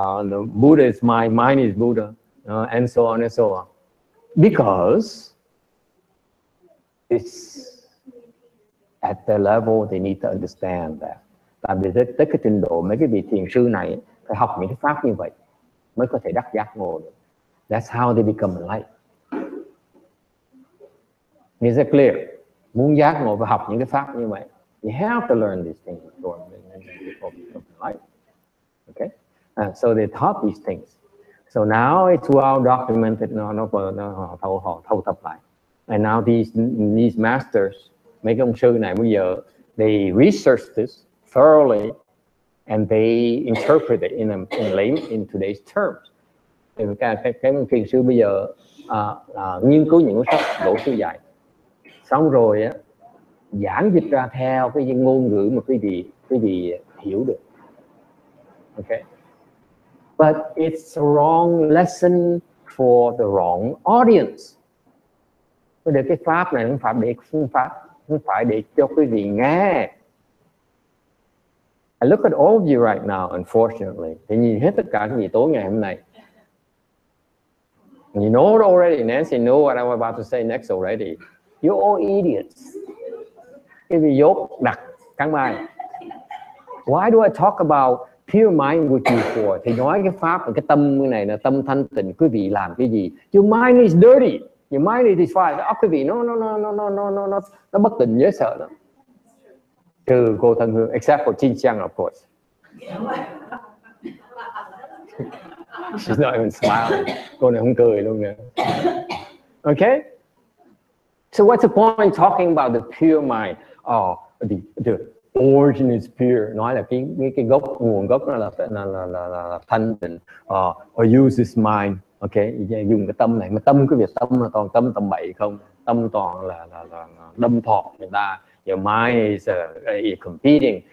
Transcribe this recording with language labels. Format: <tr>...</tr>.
<en>The Buddha is mine is Buddha, and so on and so on. Because it's at the level they need to understand that.</en> <vi>Tại vì tới cái trình độ mấy cái vị thiền sư này phải học những cái pháp như vậy mới có thể đắc giác ngộ được.</vi> <en>That's how they become enlightened. Is that clear?</en> <vi>Muốn giác ngộ phải học những cái pháp như vậy.</vi> <en>You have to learn these things before become enlightened. Okay? So they taught these things. So now it's well documented. No,</en> <vi>thâu tập lại.</vi> <en>And now these masters,</en> <vi>mấy ông sư này bây giờ,</vi> <en>they researched this thoroughly, and they interpret it in today's terms.</en> <vi>Cái môn thiền sư bây giờ nghiên cứu những cuốn sách lỗ sư dạy, xong rồi giảng dịch ra theo cái ngôn ngữ mà quý vị hiểu được.</vi> <en>Okay. But it's a wrong lesson for the wrong audience.</en> <vi>Để cái pháp này không phải để cho quý vị nghe.</vi> <en>I look at all of you right now, unfortunately.</en> <vi>Thì nhìn hết tất cả quý vị tối ngày hôm nay.</vi> <en>You know it already, Nancy knew what I was about to say next already. You're all idiots. If you yoke đặc căng mai. Why do I talk about pure mind with you for?</en> <vi>Thì nói cái pháp cái tâm này là tâm thanh tịnh, quý vị làm cái gì?</vi> <en>Your mind is dirty. Your mind is defiled. Oh,</en> <vi>quý vị, nó bất tịnh dễ sợ lắm. Trừ cô Thân Hương,</vi> <en>except for Chin Chang, of course. She's not even smiling.</en> <vi>Cô này không cười luôn nè.</vi> <en>Okay? So what's the point talking about the pure mind? Oh, the origin is pure.</en> <vi>Nói là cái gốc, nguồn gốc nó là thanh tịnh.</vi> <en>Or use this mind.</en> <vi>Okay, dùng cái tâm này. Mà tâm cái việc tâm là toàn tâm tầm bậy không? Tâm toàn là đâm thọt người ta.</vi> <en>Your mind is competing.</en>